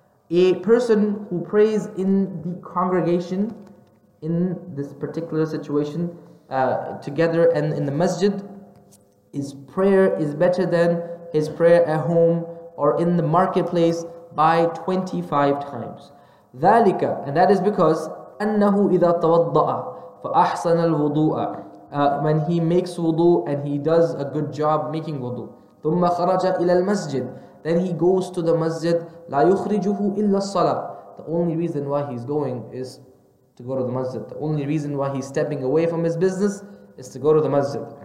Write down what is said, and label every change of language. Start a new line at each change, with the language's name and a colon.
English: A person who prays in the congregation, in this particular situation, together and in the masjid, his prayer is better than his prayer at home or in the marketplace by 25 times.
Arabic: ذلك,
English: and that is because
Arabic: أَنَّهُ إِذَا تَوَضَّأَ فَأَحْسَنَ الْوُضُوءَ.
English: When he makes wudu and he does a good job making wudu.
Arabic: ثُمَّ خَرَجَ إِلَى الْمَسْجِدِ.
English: Then he goes to the masjid.
Arabic: لَا يُخْرِجُهُ إِلَّا الصَّلَةِ.
English: The only reason why he's going is to go to the masjid. The only reason why he's stepping away from his business is to go to the masjid.